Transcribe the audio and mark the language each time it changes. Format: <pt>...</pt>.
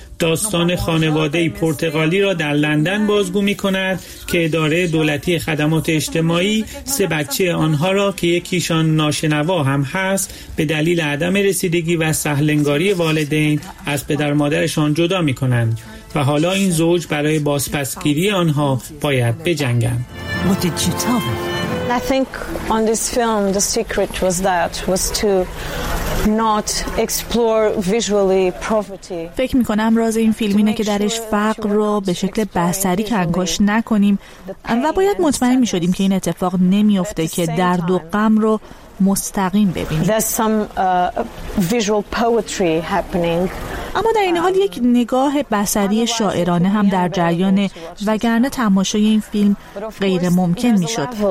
<fa>داستان خانواده پرتغالی را در لندن بازگو می کند که اداره دولتی خدمات اجتماعی سه بچه آنها را که یکیشان ناشنوا هم هست به دلیل عدم رسیدگی و سهل‌انگاری والدین از پدر مادرشان جدا می کنند و حالا این زوج برای بازپسگیری آنها باید بجنگند.</fa> <en>I think on this film the secret was that was to not explore visually poverty.</en> <fa>فکر می‌کنم راز این فیلم اینه که درش فقر رو به شکل بصری کنگاش نکنیم و باید مطمئن می‌شدیم که این اتفاق نمی‌افته که درد و غم رو مستقیم ببینیم.</fa> <en>There's some visual poetry happening.</en> <fa>اما در این حال یک نگاه بصری شاعرانه هم در جریان، وگرنه تماشای این فیلم غیر ممکن میشد.</fa>